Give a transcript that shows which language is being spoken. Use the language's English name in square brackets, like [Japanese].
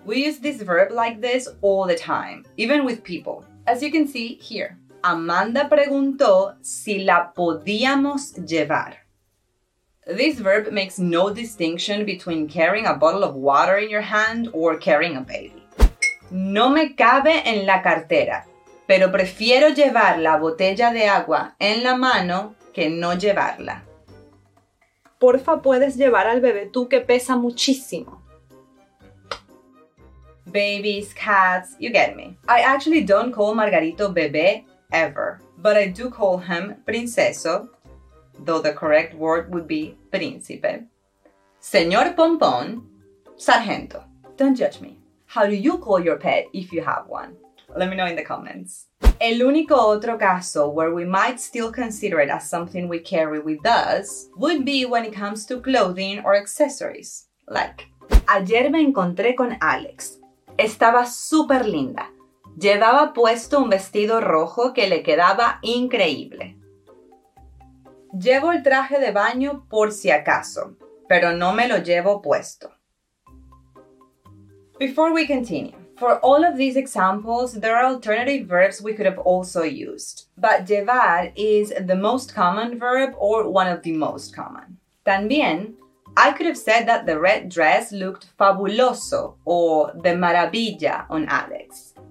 [English] We use this verb like this all the time, even with people. As you can see here, [Spanish] Amanda preguntó si la podíamos llevar. [English] This verb makes no distinction between carrying a bottle of water in your hand or carrying a baby. [Spanish] No me cabe en la cartera, pero prefiero llevar la botella de agua en la mano que no llevarla. Porfa, puedes llevar al bebé tú que pesa muchísimo. [English] Babies, cats, you get me. I actually don't call Margarito bebé ever, but I do call him princeso. Though the correct word would be príncipe. Señor Pompón, sargento. Don't judge me. How do you call your pet if you have one? Let me know in the comments. [Spanish] El único otro caso [English] where we might still consider it as something we carry with us would be when it comes to clothing or accessories. Like, [Spanish] ayer me encontré con Alex. Estaba súper linda. Llevaba puesto un vestido rojo que le quedaba increíble. Llevo el traje de baño por si acaso, pero no me lo llevo puesto. [English] Before we continue, for all of these examples, there are alternative verbs we could have also used. But llevar is the most common verb or one of the most common. [Spanish] También, [English] I could have said that the red dress looked fabuloso or de maravilla on Alex.